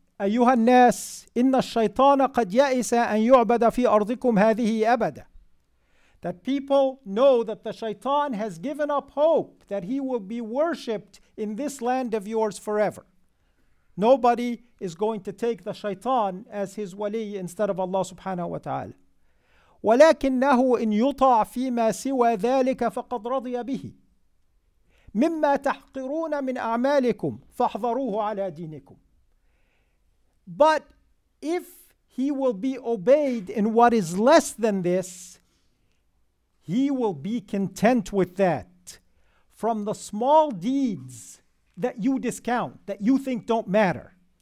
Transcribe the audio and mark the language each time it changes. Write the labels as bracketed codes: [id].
[ar] أيها الناس إن الشيطان قد يأس أن يعبد في أرضكم هذه أبدا. [en] That people know that the shaitan has given up hope that he will be worshipped in this land of yours forever. Nobody is going to take the shaitan as his wali instead of Allah subhanahu wa ta'ala. [ar] ولكنه إن يطع فيما سوى ذلك فقد رضي به مما تحقرون من أعمالكم فاحذروه على دينكم. [en] But if he will be obeyed in what is less than this, he will be content with that. From the small deeds that you discount, that you think don't matter.